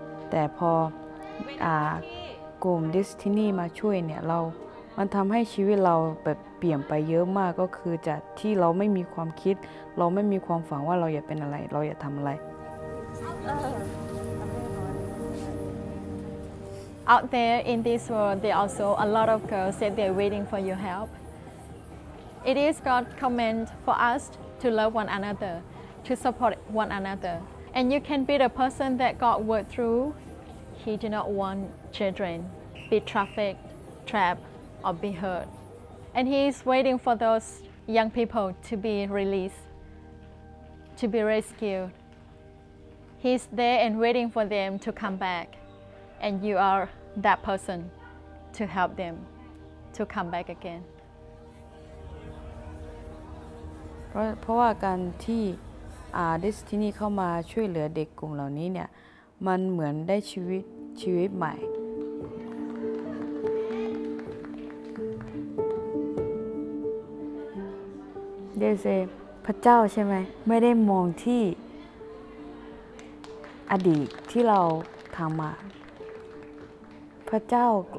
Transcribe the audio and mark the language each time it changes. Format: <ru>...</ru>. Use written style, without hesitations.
<th>แต่พอกลุ่มดิสที่นี่มาช่วยเนี่ยเรามันทำให้ชีวิตเราแบบเปลี่ยนไปเยอะมากก็คือจากที่เราไม่มีความคิดเราไม่มีความฝันว่าเราอยากเป็นอะไรเราอยากทำอะไร</th> <en>Out there in this world, there are also a lot of girls that they're waiting for your help. It is God's command for us to love one another, to support one another. And you can be the person that God worked through. He did not want children to be trafficked, trapped, or be hurt. And He is waiting for those young people to be released, to be rescued. He is there and waiting for them to come back. And you are that person to help them to come back again.</en> <th>เพราะว่าการที่ดิสที่นี่เข้ามาช่วยเหลือเด็กกลุ่มเหล่านี้เนี่ยมันเหมือนได้ชีวิตใหม่เดี๋ยวเซพระเจ้าใช่ไหมไม่ได้มองที่อดีตที่เราทำมาพระเจ้า</th>